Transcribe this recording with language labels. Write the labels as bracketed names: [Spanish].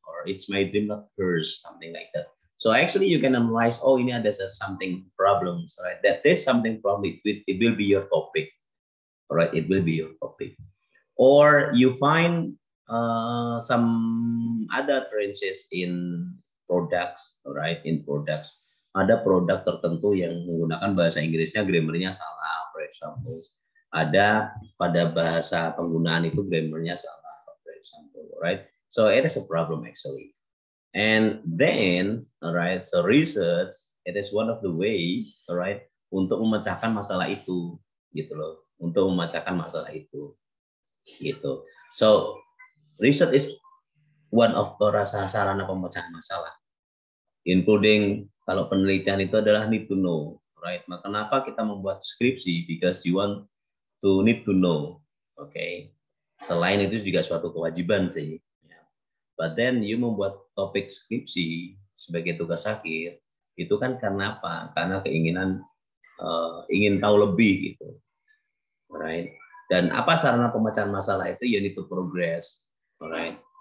[English] Or it's my dream not hers, something like that. So actually you can analyze, [Indonesian] oh ini ada [English] something problems, right? That there's something problem with it will be your topic, right? It will be your topic. Or you find some other trenches in products, right? In products. [Indonesian] Ada produk tertentu yang menggunakan bahasa Inggrisnya, grammarnya salah, [English] for example. [Indonesian] Ada pada bahasa penggunaan itu grammarnya salah, [English] for example, right? So it is a problem actually. And then, right, so research, it is one of the ways, right, [Indonesian] untuk memecahkan masalah itu, gitu loh. Untuk memecahkan masalah itu, gitu. [English] So research is one of the [Indonesian] sarana pemecah masalah, [English] including [Indonesian] kalau penelitian itu adalah [English] need to know, right? [Indonesian] Maka kenapa kita membuat skripsi? [English] Because you want to need to know, okay? [Indonesian] Selain itu juga suatu kewajiban sih. [English] But then you [Indonesian] membuat topik skripsi sebagai tugas akhir, itu kan karena apa? Karena keinginan ingin tahu lebih gitu, right? Dan apa sarana pemecahan masalah itu? [English] You need to progress, right?